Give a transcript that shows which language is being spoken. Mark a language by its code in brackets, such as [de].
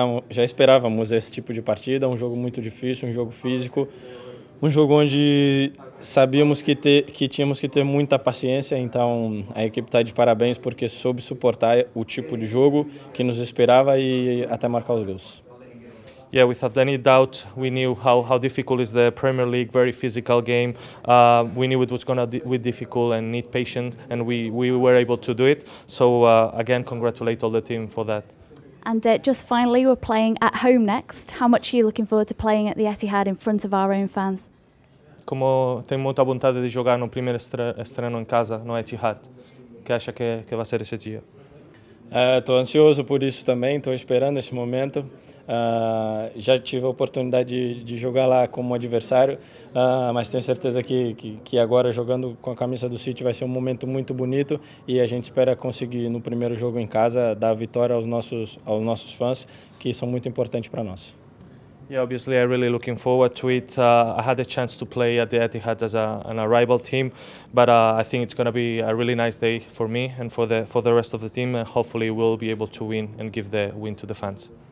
[pt] Já esperávamos esse tipo de partida, um jogo muito difícil, um jogo físico, um jogo onde sabíamos que tínhamos que ter muita paciência. Então a equipe está de parabéns porque soube suportar o tipo de jogo que nos esperava e até marcar os gols. [en] Yeah, without any doubt, we knew how difficult is the Premier League, very physical game. We knew it was going to be difficult and need patience, and we were able to do it. So again, congratulate all the team for that. And just finally, we're playing at home next. How much are you looking forward to playing at the Etihad in front of our own fans? [pt] Como tem muita vontade de jogar no primeiro estreno em casa no Etihad, que acha que vai ser esse dia? Estou ansioso por isso também, estou esperando esse momento. Já tive a oportunidade de jogar lá como adversário, mas tenho certeza que agora jogando com a camisa do City vai ser um momento muito bonito e a gente espera conseguir no primeiro jogo em casa dar vitória aos nossos fãs, que são muito importantes para nós. [en] Yeah, obviously I'm really looking forward to it. I had a chance to play at the Etihad as an arrival team, but I think it's going to be a really nice day for me and for the rest of the team. Hopefully we'll be able to win and give the win to the fans.